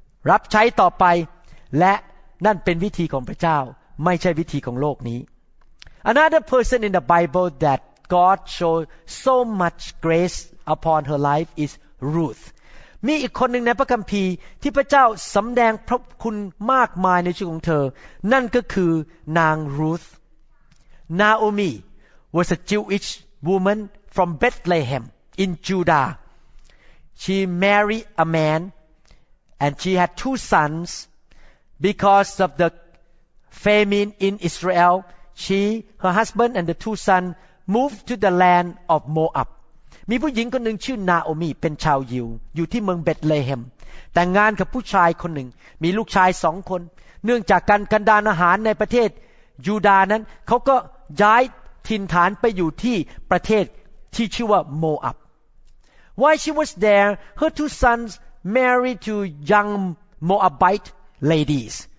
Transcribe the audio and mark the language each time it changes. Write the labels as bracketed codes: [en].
[th] รับใช้ต่อไปและนั่นเป็นวิธีของพระเจ้าไม่ใช่วิธีของโลกนี้ [en] Another person in the Bible that God showed so much grace upon her life is Ruth [th] มีอีกคนหนึ่งในพระคัมภีร์ที่พระเจ้าสำแดงพระคุณมากมายในชีวิตของเธอนั่นก็คือนางรูธ [en] Naomi was a Jewish woman from Bethlehem in Judah. She married a man and she had two sons. Because of the famine in Israel, she, her husband and the two sons moved to the land of Moab. [th] มีผู้หญิงคนหนึ่งชื่อนาโอมิเป็นชาวยิวอยู่ที่เมืองเบธเลเฮมแต่งงานกับผู้ชายคนหนึ่งมีลูกชายสองคนเนื่องจากการกันดารอาหารในประเทศยูดาห์นั้นเขาก็ย้ายถิ่นฐานไปอยู่ที่ประเทศที่ชื่อว่าโมอับ [en] While she was there, her two sons married to young Moabite ladies.